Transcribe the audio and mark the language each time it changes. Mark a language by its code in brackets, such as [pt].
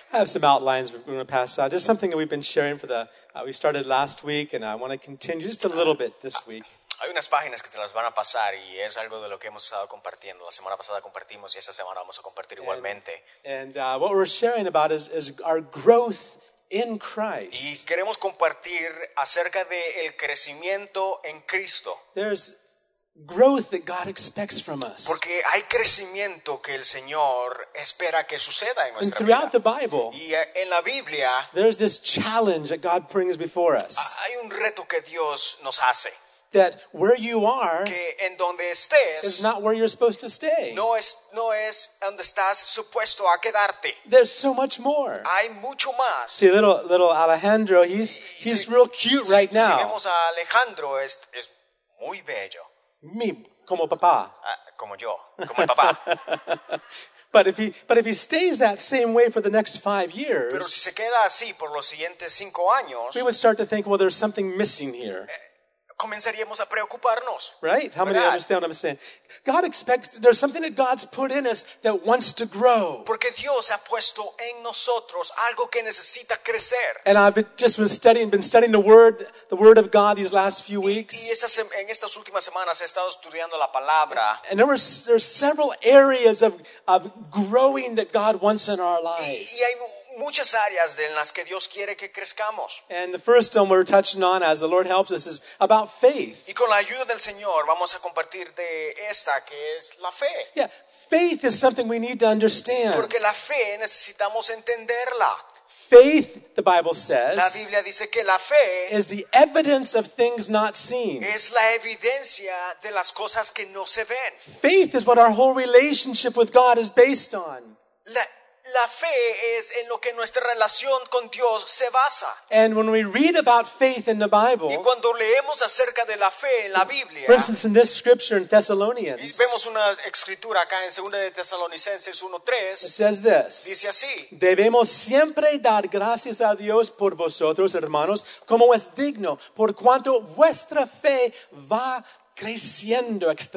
[en] I have some outlines we're going to pass out. Just something that we've been sharing for the. We started last week, and I want to continue just a little bit this week. [es] Hay unas páginas que te las van a pasar, y es algo de lo que hemos estado compartiendo. La semana pasada compartimos, y esta semana vamos a compartir igualmente. [en] And what we're sharing about is our growth in Christ. [es] Y queremos compartir acerca de el crecimiento en Cristo. [en] There's growth that God expects from us. [es] Porque hay crecimiento que el Señor espera que suceda en nuestra vida. [en] And throughout the Bible, [es] y en la Biblia, [en] there's this challenge that God brings before us. [es] Hay un reto que Dios nos hace. [en] That where you are, [es] que en donde estés, [en] is not where you're supposed to stay. [es] No es donde estás supuesto a quedarte. [en] There's so much more. [es] Hay mucho más. [en] See little Alejandro, he's real cute right now. [es] Si vemos a Alejandro, es muy bello. Me, como papá. Como yo, como el papá. [en] But if he stays that same way for the next 5 years, [es] pero si se queda así por los siguientes 5 años, [en] we would start to think, well, there's something missing here. [es] Comenzaríamos a preocuparnos. [en] Right? How [es] ¿verdad? [en] Many understand what I'm saying? God expects, there's something that God's put in us that wants to grow. [es] Porque Dios ha puesto en nosotros algo que necesita crecer. [en] And I've been studying the word of God these last few weeks. [es] Y en estas últimas semanas he estado estudiando la palabra. [en] And there are several areas of growing that God wants in our lives. [es] Y hay muchas áreas en las que Dios quiere que crezcamos. [en] And the first one we're touching on, as the Lord helps us, is about faith. [es] Y con la ayuda del Señor vamos a compartir de esta, que es la fe. [en] Yeah, faith is something we need to understand. [es] Porque la fe necesitamos entenderla. [en] Faith, the Bible says, [es] la Biblia dice que la fe [en] is the evidence of things not seen. [es] Es la evidencia de las cosas que no se ven. [en] Faith is what our whole relationship with God is based on. [es] La fe es en lo que nuestra relación con Dios se basa. [en] And when we read about faith in the Bible, [es] y cuando leemos acerca de la fe en la Biblia, [en] for instance, in this scripture in Thessalonians, [es] vemos una escritura acá en 2 de Tesalonicenses 1:3. [en] It says this. [es] Dice así: debemos siempre dar gracias a Dios por vosotros, hermanos, como es digno, por cuanto vuestra fe va creciendo